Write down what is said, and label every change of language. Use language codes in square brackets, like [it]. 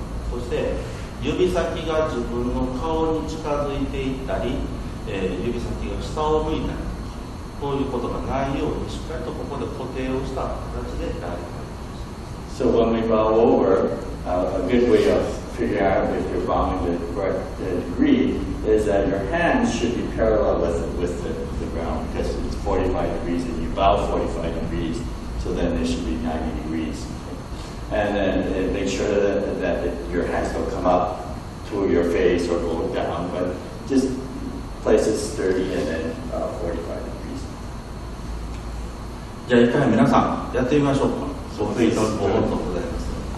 [ja] そして指先が自分の顔に近づいていったり、指先が下を向いたりこういうことがないようにしっかりとここで固定をした形で大丈夫です [en] So when we bow over, a good way of figuring out if you're bowing the right degree is that your hands should be parallel with the ground because it's 45 degrees and you bow 45 degrees, so then it should be 90 degrees. And then make sure that your hands don't come up to your face or go down, but just place it sturdy and then 45 degrees. [ja] じゃあ一回皆さんやってみましょうか。そう、フェイトボードでございます。